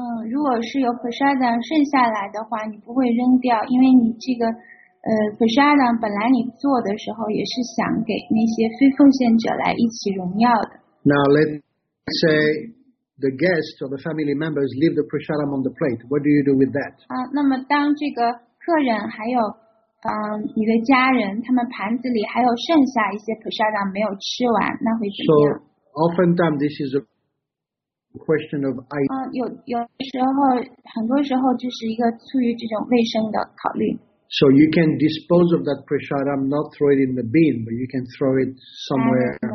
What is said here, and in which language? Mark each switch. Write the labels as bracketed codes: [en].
[zh] 如果是有prasadam剩下来的话，你不会扔掉，因为你这个prasadam本来你做的时候也是想给那些非奉献者来一起荣耀的。 [en] Now let's say the guests or the family members leave the prasadam on the plate. What do you do with that? [zh] 那么当这个客人还有你的家人，他们盘子里还有剩下一些prasadam没有吃完，那会怎么样？ [en] So oftentimes this is a question of idea. [zh] 有的时候，很多时候就是一个出于这种卫生的考虑。 [en] So you can dispose of that prasadam, not throw it in the bin, but you can throw it somewhere.